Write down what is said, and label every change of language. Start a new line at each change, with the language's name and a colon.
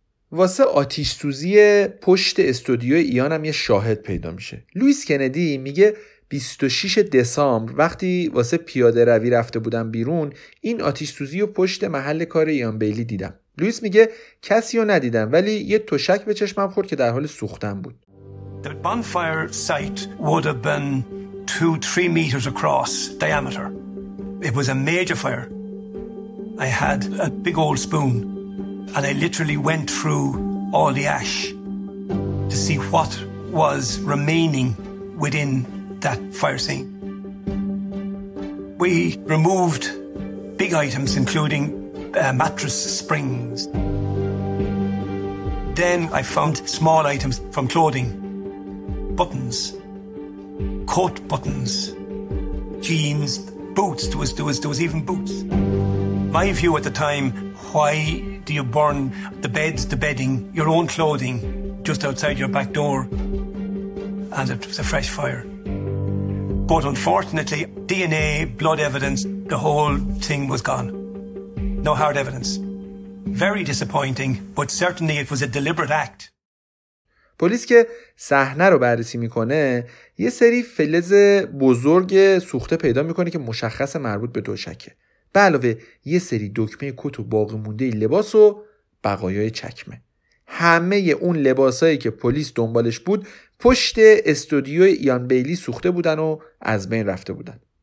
Persian: واسه آتیش سوزی پشت استودیو ایان هم یه شاهد پیدا میشه. لوئیس کندی میگه 26 دسامبر وقتی واسه پیاده روی رفته بودم بیرون این آتیش سوزی رو پشت محل کار ایان بیلی دیدم. لوئیس میگه کسی رو ندیدم ولی یه تشک به چشمم خورد که در حال سوختن بود.
English: The bonfire site would have been 2-3 meters across diameter. It was a major fire. I had a big old spoon. And I literally went through all the ash to see what was remaining within that fire scene. We removed big items, including mattress springs. Then I found small items from clothing, buttons, coat buttons, jeans, boots. There was even boots. My view at the time, why do you burn the beds, the bedding, your own clothing just outside your back door? And it was a fresh fire. But unfortunately, DNA, blood evidence, the whole thing was gone. No hard evidence. Very disappointing, but certainly it was a deliberate act.
Persian: پلیس که صحنه رو بررسی میکنه یه سری فلز بزرگ سوخته پیدا میکنه که مشخص مربوط به دوشکه، به علاوه یه سری دکمه کت و باقی مونده لباس و بقایای چکمه. همه اون لباسایی که پلیس دنبالش بود پشت استودیوی ایان بیلی سوخته بودن و از بین رفته بودن.